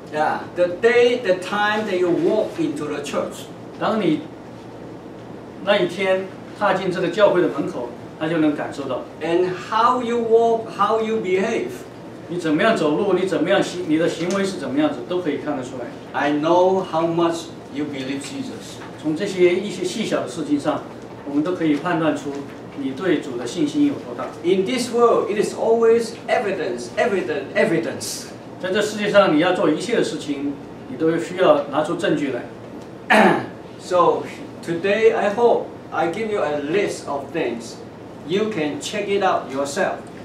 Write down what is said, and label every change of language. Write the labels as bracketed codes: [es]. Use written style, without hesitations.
[en] Yeah, the day, the time that you walk into the church. [zh] 当你那一天踏进这个教会的门口，他就能感受到。 [en] And how you walk, how you behave. [zh] 你怎么样走路，你的行为是怎么样子，都可以看得出来。 [en] I know how much you believe Jesus. [zh] 从这些一些细小的事情上，我们都可以判断出你对主的信心有多大。 [en] In this world, it is always evidence, evidence, evidence. [zh] 在这世界上，你要做一切的事情，你都需要拿出证据来。 [en] So today, I hope I give you a list of things you can check it out yourself.